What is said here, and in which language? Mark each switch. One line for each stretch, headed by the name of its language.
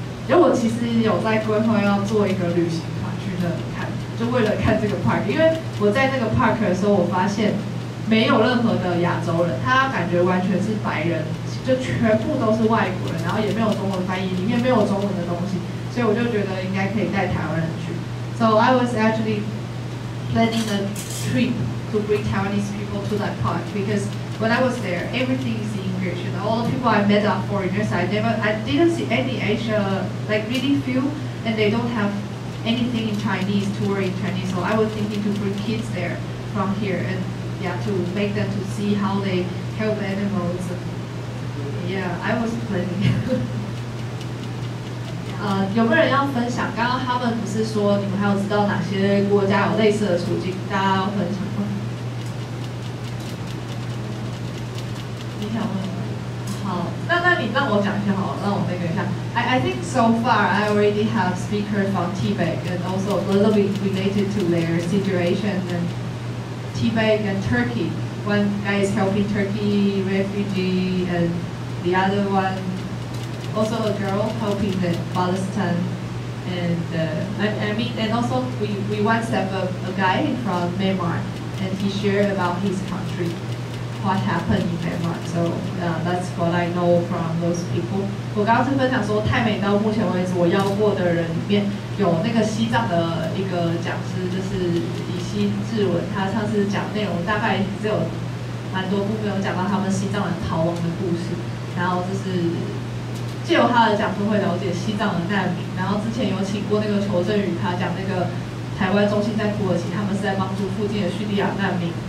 Chinese: 因为我其实有在规划要做一个旅行团去那里看，就为了看这个 park。因为我在那个 park 的时候，我发现没有任何的亚洲人，他感觉完全是白人。就全部都是外国人，然后也没有中文翻译，里面没有中文的东西，所以我就觉得应该可以带台湾人去。
English: So I was actually planning a trip to bring Taiwanese people to that park because when I was there, everything is English and all the people I met are foreigners. I didn't see any Asia, like really few, and they don't have anything in Chinese, tour in Chinese. So I was thinking to bring kids there from here and yeah, to make them to see how they help animals. Yeah, I was planning.
Chinese: 有没有人要分享？刚刚他们不是说你们还有知道哪些国家有类似的处境？大家要分享吗？你想问？好，那你让我讲一下好了，让我那个一下。
English: I think so far I already have speakers from Tibet and also a little bit related to their situation and Tibet and Turkey. One guy is helping Turkey refugee and. The other one, also a girl helping in Palestine, and also we once have a guy from Myanmar, and he shared about his country, what happened in Myanmar. So that's what I know from those people.
Chinese: 我刚刚是分享说，泰美到目前为止我邀过的人里面有那个西藏的一个讲师，就是李希志文，他上次讲内容大概只有蛮多部分有讲到他们西藏人逃亡的故事。然后就是借由他的讲座会了解西藏的难民，然后之前有请过那个邱振宇，他讲那个台湾中心在土耳其，他们是在帮助附近的叙利亚难民